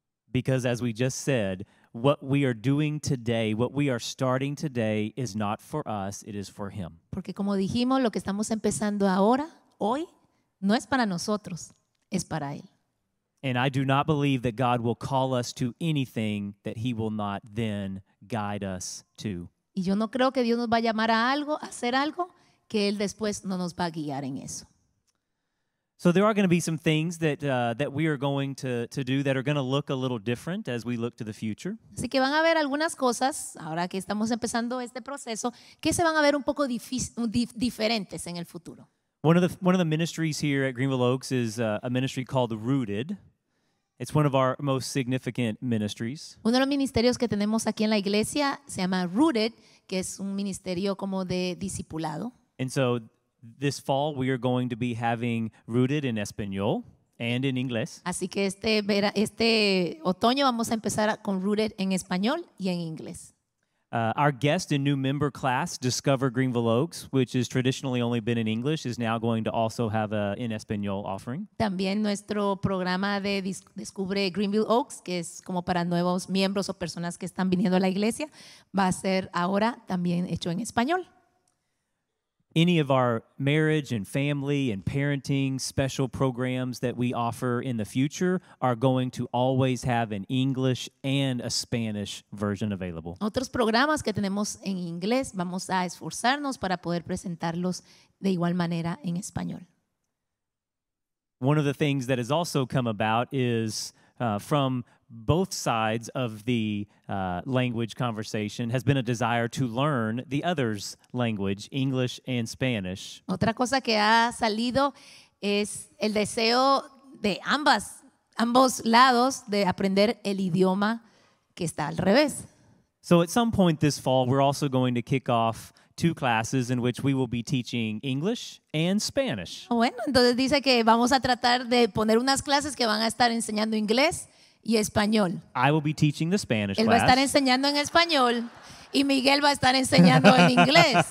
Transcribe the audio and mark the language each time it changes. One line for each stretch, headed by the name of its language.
English: Because as we just said, what we are doing today, what we are starting today is not for us, it is for him.
Spanish: Porque como dijimos, lo que estamos empezando ahora, hoy, no es para nosotros, es para él.
English: And I do not believe that God will call us to anything that he will not then guide us to.
Spanish: Y yo no creo que Dios nos va a llamar a algo, a hacer algo, que Él después no nos va a guiar en eso.
English: So there are going to be some things that that we are going to do that are going to look a little different as we look to the future.
Spanish: Así que van a ver algunas cosas ahora que estamos empezando este proceso que se van a ver un poco diferentes en el futuro.
English: One of the ministries here at Greenville Oaks is a ministry called Rooted. It's one of our most significant ministries.
Spanish: Uno de los ministerios que tenemos aquí en la iglesia se llama Rooted, que es un ministerio como de discipulado.
English: And so this fall we are going to be having Rooted in Español and in Inglés.
Spanish: Así que este otoño vamos a empezar con Rooted en Español y en Inglés.
English: Our guest and new member class, Discover Greenville Oaks, which has traditionally only been in English, is now going to also have an in Español offering.
Spanish: También nuestro programa de Descubre Greenville Oaks, que es como para nuevos miembros o personas que están viniendo a la iglesia, va a ser ahora también hecho en español.
English: Any of our marriage and family and parenting special programs that we offer in the future are going to always have an English and a Spanish version available.
Spanish: Otros programas que tenemos en inglés, vamos a esforzarnos para poder presentarlos de igual manera en español.
English: One of the things that has also come about is from both sides of the language conversation has been a desire to learn the other's language, English and Spanish.
Spanish: Otra cosa que ha salido es el deseo de ambos lados de aprender el idioma que está al revés.
English: So at some point this fall, we're also going to kick off two classes in which we will be teaching English and Spanish.
Spanish: Bueno, entonces dice que vamos a tratar de poner unas clases que van a estar enseñando inglés y español.
English: I will be teaching the Spanish class.
Spanish: Él va a estar enseñando en español y Miguel va a estar enseñando en inglés.